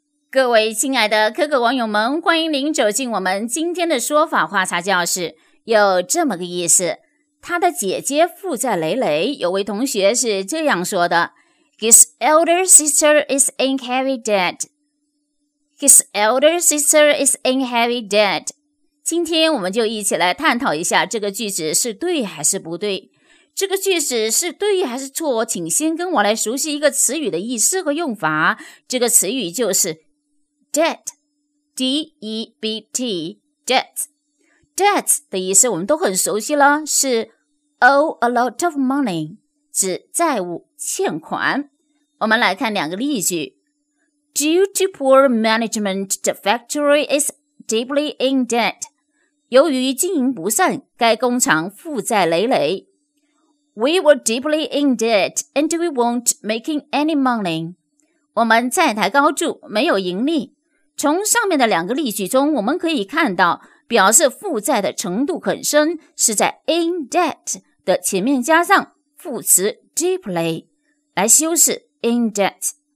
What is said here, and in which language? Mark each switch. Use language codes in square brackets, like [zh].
[zh] 各位亲爱的可可网友们，欢迎您走进我们今天的说法话茶教室。有这么个意思，他的姐姐负债累累，有位同学是这样说的， [en] His elder sister is in heavy debt. His elder sister is in heavy debt. [zh] 今天我们就一起来探讨一下这个句子是对还是不对。这个句子是对还是错，请先跟我来熟悉一个词语的意思和用法。这个词语就是debt, D-E-B-T, debt. Debt 的意思我们都很熟悉了，是 [en] owe a lot of money, [zh] 指债务欠款。我们来看两个例句。 [en] Due to poor management, the factory is deeply in debt. [zh] 由于经营不善，该工厂负债累累。 [en] We were deeply in debt and we weren't making any money. [zh] 我们债台高筑，没有盈利。从上面的两个例句中，我们可以看到表示负债的程度很深是在 in debt 的前面加上副词 deeply 来修饰 in debt。